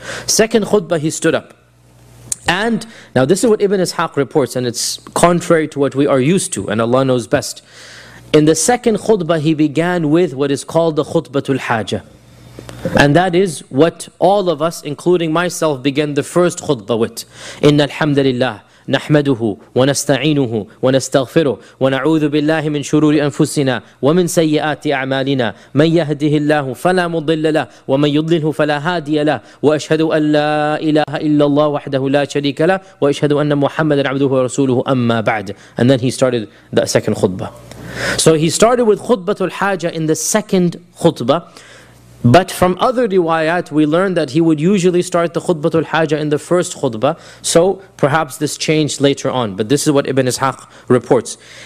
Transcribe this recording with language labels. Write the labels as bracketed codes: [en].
[en] Second khutbah, he stood up. And now this is what Ibn Ishaq reports, and it's contrary to what we are used to, and Allah knows best. In the second khutbah, he began with what is called the khutbatul hajah. And that is what all of us, including myself, began the first khutbah with. [ar] Inna alhamdulillah. نحمده ونستعينه ونستغفره ونعوذ بالله من شرور أنفسنا ومن سيئات أعمالنا من يهده الله فلا مضل له ومن يضلله فلا هادي له وأشهد أن لا إله إلا الله وحده لا شريك له وأشهد أن محمدا عبده ورسوله أما بعد. [en] And then he started the second khutbah. So he started with خطبة الحاجة in the second khutbah. But from other riwayat, we learned that he would usually start the khutbatul hajah in the first khutbah. So perhaps this changed later on. But this is what Ibn Ishaq reports.